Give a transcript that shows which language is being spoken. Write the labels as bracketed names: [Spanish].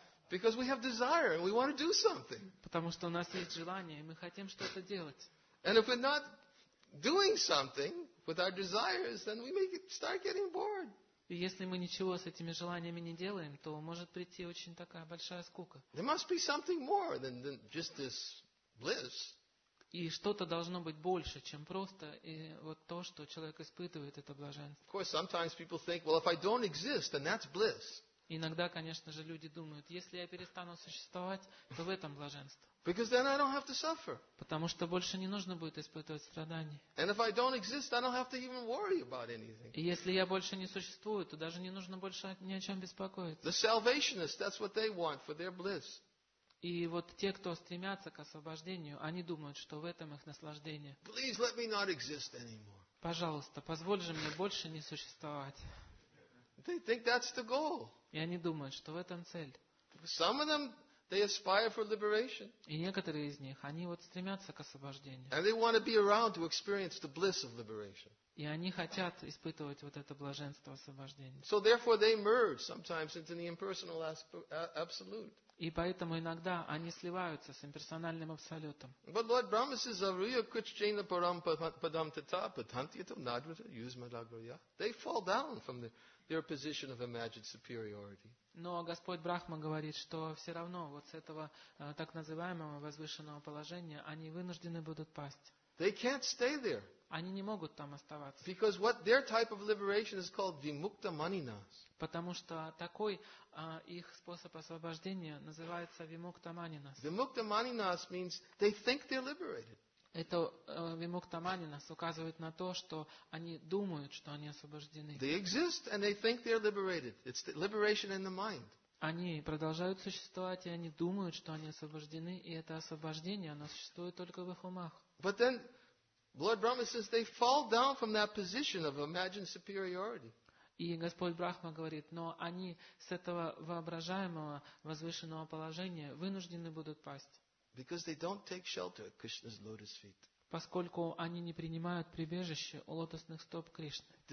[English] Because we have desire and we want to do something. [Russian] Потому что у нас есть желание, и мы хотим что-то делать. [English] And if we're not doing something with our desires, then we may start getting bored. [Russian] И если мы ничего с этими желаниями не делаем, то может прийти очень такая большая скука. [English] There must be something more than just this bliss. [Russian] И что-то должно быть больше, чем просто и вот то, что человек испытывает, это блаженство. [English] Of course, sometimes people think, well, if I don't exist, then that's bliss. [Russian] Иногда, конечно же, люди думают: если я перестану существовать, то в этом блаженство. [English] Because then I don't have to suffer. [Russian] Потому что больше не нужно будет испытывать страдания. [English] And if I don't exist, I don't have to even worry about anything. [Russian] И если я больше не существую, то даже не нужно больше ни о чем беспокоиться. [English] The salvationists, that's what they want for their bliss. [Russian] И вот те, кто стремятся к освобождению, они думают, что в этом их наслаждение. [English] Please let me not exist anymore. [Russian] Пожалуйста, позволь же мне больше не существовать. [English] They think that's the goal. [Russian] И они думают, что в этом цель. [English] Some of them, they aspire for liberation. [Russian] И некоторые из них, они вот стремятся к освобождению. [English] And they want to be around to experience the bliss of liberation. [Russian] И они хотят испытывать вот это блаженство освобождения. [English] So therefore they merge sometimes into the impersonal absolute. [Russian] И поэтому иногда они сливаются с имперсональным абсолютом. [English] But Lord Brahma says, [Sanskrit] "Avriya kuchchena param padam tata padantyatam nadvata yuzmalagriya." [English] They fall down from their position of imagined superiority. [Russian] Но Господь Брахма говорит, что все равно вот с этого так называемого возвышенного положения они вынуждены будут пасть. [English] They can't stay there. [Russian] Они не могут там оставаться. [English] Because what their type of liberation is called vimukta maninas. [Russian] Потому что такой их способ освобождения называется vimukta maninas. [English] Vimukta maninas means they think they're liberated. [Russian] Это vimukta maninas указывает на то, что они думают, что они освобождены. [English] They exist and they think they're liberated. It's the liberation in the mind. [Russian] Они продолжают существовать, и они думают, что они освобождены, и это освобождение, оно существует только в их умах. [English] But then Lord Brahma says they fall down from that position of imagined superiority. [Russian] И Господь Брахма говорит, но они с этого воображаемого возвышенного положения вынуждены будут пасть. [English] Because they don't take shelter at Krishna's lotus feet. [Russian] поскольку они не принимают прибежище у лотосных стоп Кришны.